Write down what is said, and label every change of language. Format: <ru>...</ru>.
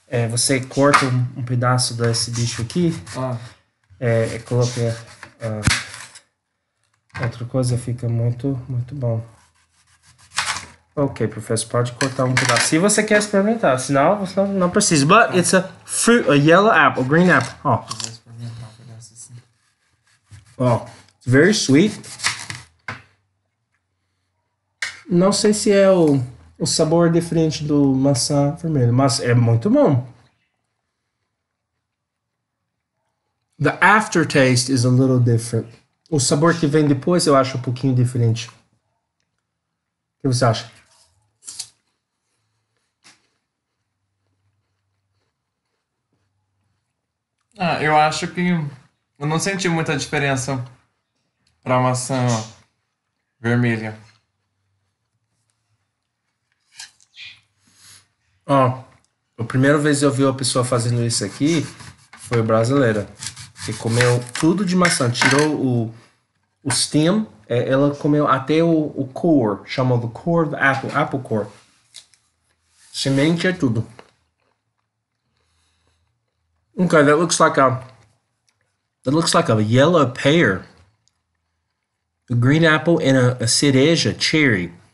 <pt>Você corta um pedaço desse bicho aqui, coloca outra coisa, fica muito, muito bom. Ok, professor, pode cortar um pedaço. Se você quer experimentar, senão você não precisa.</pt> <en>But it's a fruit, a yellow apple, green apple. Ó. Oh. Ó, oh, it's very sweet.</en> <pt>Não sei se é o sabor diferente do maçã vermelho, mas é muito bom.</pt> <en>The aftertaste is a little different.</en> <pt>O sabor que vem depois eu acho um pouquinho diferente. O que você acha? Ah, eu acho que... Eu não senti muita diferença Pra maçã, ó. Vermelha. Ó, a primeira vez que eu vi uma pessoa fazendo isso aqui foi brasileira, que comeu tudo de maçã, tirou o stem, ela comeu até o core, chamado core do apple core. Semente é tudo.</pt> <en>Okay, that looks like a yellow pear, a green apple, and a cereja cherry.</en>